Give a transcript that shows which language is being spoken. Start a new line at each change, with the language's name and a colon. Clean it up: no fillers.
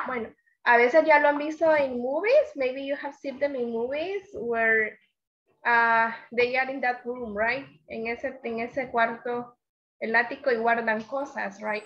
Spanish: Bueno, a veces ya lo han visto en movies.
English: Maybe you have seen them in movies where they are in that room, right?
Spanish: En ese cuarto, el ático, y guardan cosas,
English: right?